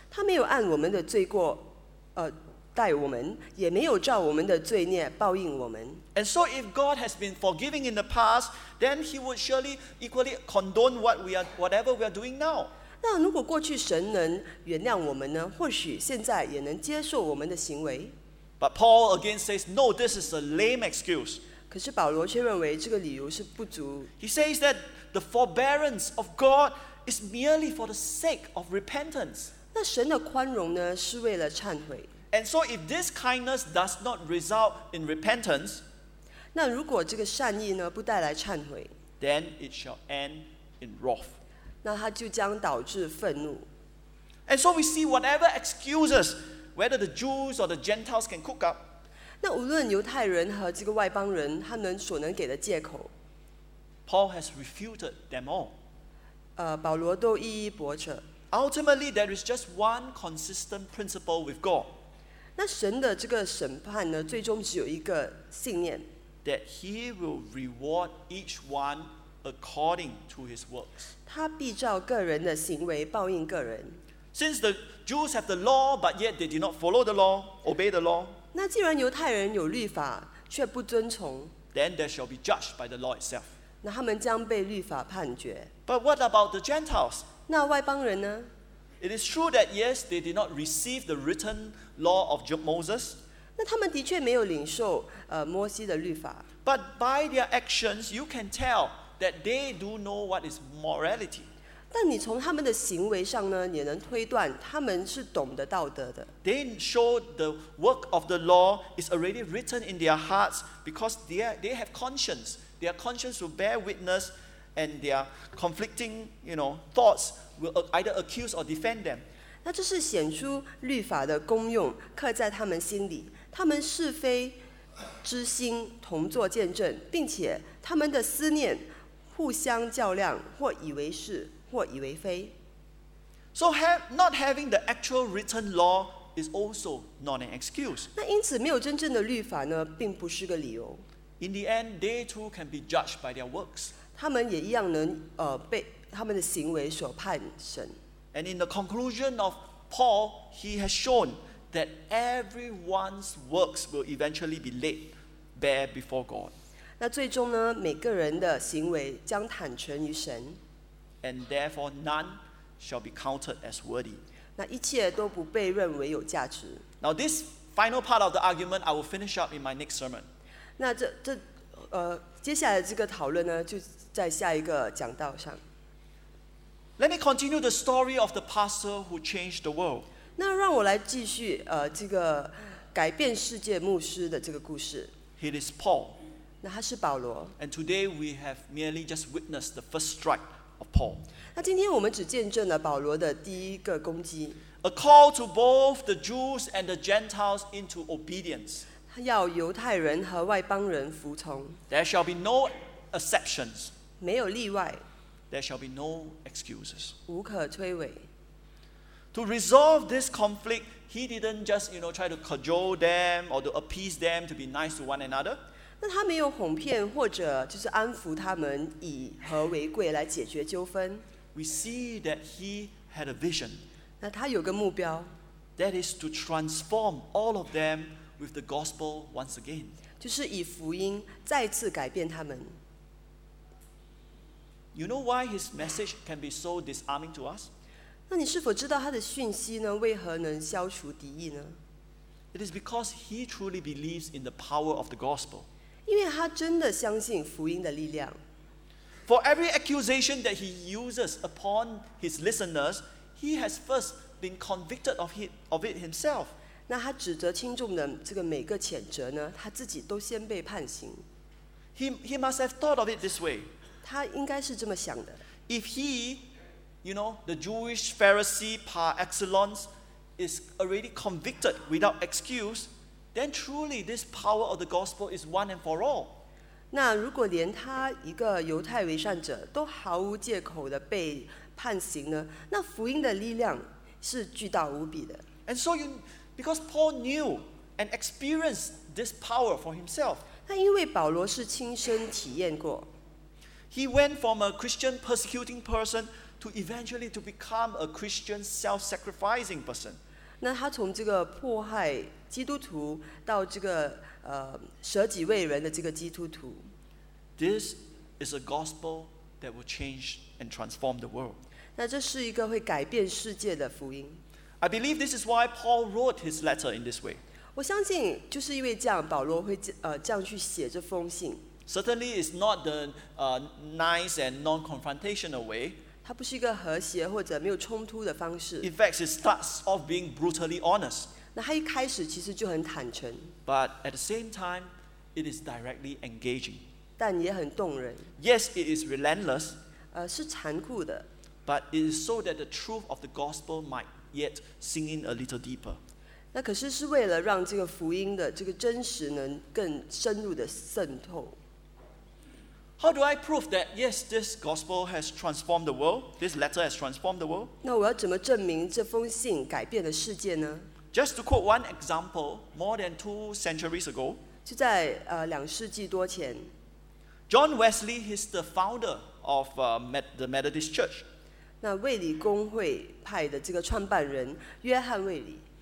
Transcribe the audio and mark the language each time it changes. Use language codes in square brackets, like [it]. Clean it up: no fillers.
[zh] 他没有按我们的罪过待我们，也没有照我们的罪孽报应我们。 [en] And so if God has been forgiving in the past, then he would surely equally condone whatever we are doing now. [zh] 那如果过去神能原谅我们呢？或许现在也能接受我们的行为。 [en] But Paul again says, no, this is a lame excuse. [zh] 可是保罗却认为这个理由是不足。 [en] He says that the forbearance of God is merely for the sake of repentance. [zh] 那神的宽容呢，是为了忏悔。 [en] And so if this kindness does not result in repentance, [zh] 那如果这个善意呢，不带来忏悔, [en] then it shall end in wrath. [zh] 那它就将导致愤怒。 [en] And so we see whatever excuses, whether the Jews or the Gentiles can cook up, [zh] 那无论犹太人和这个外邦人他们所能给的借口, [en] Paul has refuted them all. [zh] 保罗都一一驳斥。 [en] Ultimately, there is just one consistent principle with God. [zh] 那神的这个审判呢，最终只有一个信念。 [en] That he will reward each one according to his works. [zh] 他必照个人的行为报应个人。 [en] Since the Jews have the law, but yet they did not follow the law, obey the law. [zh] 那既然犹太人有律法，却不遵从。 [en] Then they shall be judged by the law itself. [zh] 那他们将被律法判决。 [en] But what about the Gentiles? [zh] 那外邦人呢？ [en] It is true that yes, they did not receive the written law of Moses. [zh] 那他们的确没有领受摩西的律法。 [en] But by their actions, you can tell that they do know what is morality. [zh] 但你从他们的行为上呢，也能推断他们是懂得道德的。 [en] They show the work of the law is already written in their hearts because they have conscience. their conscience will bear witness and their conflicting, you know, thoughts will either accuse or defend them. [zh] 那这是显出律法的功用，刻在他们心里，他们是非之心同作见证，并且他们的思念互相较量，或以为是，或以为非。 [en] So not having the actual written law is also not an excuse. [zh] 那因此没有真正的律法呢，并不是个理由。 [en] In the end, they too can be judged by their works. [zh] 他们也一样能被他们的行为所判审。 [en] And in the conclusion of Paul, he has shown that everyone's works will eventually be laid bare before God. [zh] 那最终呢，每个人的行为将坦诚于神。 [en] And therefore, none shall be counted as worthy. [zh] 那一切都不被认为有价值。 [en] Now this final part of the argument, I will finish up in my next sermon. [zh] 那这接下来这个讨论呢，就在下一个讲道上。 [en] Let me continue the story of the pastor who changed the world. [zh] 那让我来继续这个改变世界牧师的这个故事。 [en] He is Paul. [zh] 那他是保罗。 [en] And today we have merely just witnessed the first strike of Paul. [zh] 那今天我们只见证了保罗的第一个攻击。 [en] A call to both the Jews and the Gentiles into obedience. [zh] 要犹太人和外邦人服从。 [en] There shall be no exceptions. [zh] 没有例外。 [en] There shall be no excuses. [zh] 无可推诿。 [en] To resolve this conflict, he didn't just, you know, try to cajole them or to appease them to be nice to one another. [zh] 那他没有哄骗或者就是安抚他们以和为贵来解决纠纷。 [en] We see that he had a vision. [zh] 那他有个目标。 [en] That is to transform all of them with the gospel once again. [zh] 就是以福音再次改变他们。 [en] You know why his message can be so disarming to us? [zh] 那你是否知道他的讯息呢？为何能消除敌意呢？ [en] It is because he truly believes in the power of the gospel. [zh] 因为他真的相信福音的力量。 [en] For every accusation that he uses upon his listeners, he has first been convicted of it himself. [zh] 那他指责听众的这个每个谴责呢，他自己都先被判刑。 [en] He must have thought of it this way. [zh] 他应该是这么想的。 [en] If he, you know, the Jewish Pharisee par excellence, is already convicted without excuse, then truly this power of the gospel is one and for all. [zh] 那如果连他一个犹太为善者都毫无借口的被判刑呢？那福音的力量是巨大无比的。 [en] And so you, because Paul knew and experienced this power for himself. [zh] 那因为保罗是亲身体验过。 [en] He went from a Christian persecuting person to eventually to become a Christian self-sacrificing person. [zh] 那他从这个迫害基督徒到这个舍己为人的这个基督徒。 [en] This is a gospel that will change and transform the world. [zh] 那这是一个会改变世界的福音。 [en] I believe this is why Paul wrote his letter in this way. [zh] 我相信就是因为这样，保罗会这样去写这封信。 [en] Certainly, it's not the nice and non-confrontational way. [zh] 它不是一个和谐或者没有冲突的方式。 [en] In fact, it starts off being brutally honest. [zh] 那它一开始其实就很坦诚。 [en] But at the same time, it is directly engaging. [zh] 但也很动人。 [en] Yes, it is relentless. [zh] 是残酷的。 [en] But it is so that the truth of the gospel might yet sink in a little deeper. [zh] 那可是是为了让这个福音的这个真实能更深入的渗透。 [en] How do I prove that yes, this gospel has transformed the world? This letter has transformed the world? [zh] 那我要怎么证明这封信改变了世界呢？ [en] Just to quote one example, more than 2 centuries ago, [zh] 就在两世纪多前， [en] John Wesley, he's the founder of the Methodist Church. [zh] 那卫理公会派的这个创办人约翰卫理，